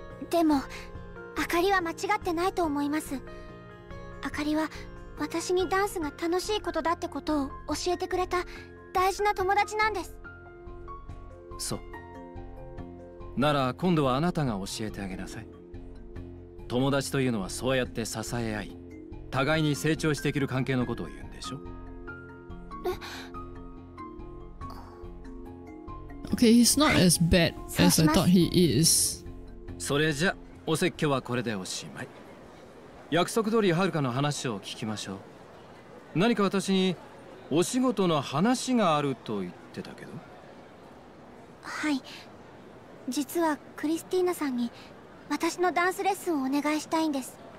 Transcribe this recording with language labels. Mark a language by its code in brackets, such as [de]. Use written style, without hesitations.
[ja] でもあかりは間違ってないと思います。あかりは私にダンスが楽しいことだってことを教えてくれた大事な友達なんです。そう、なら今度はあなたが教えてあげなさい。友達というのはそうやって支え合い互いに成長していける関係のことを言うんでしょ。 [en] Okay, he's not as bad as I thought he is. [ja] それじゃ、お説教はこれでおしまい。約束通りハルカの話を聞きましょう。何か私にお仕事の話があると言ってたけど。はい。実はクリスティーナさんに私のダンスレッスンをお願いしたいんです。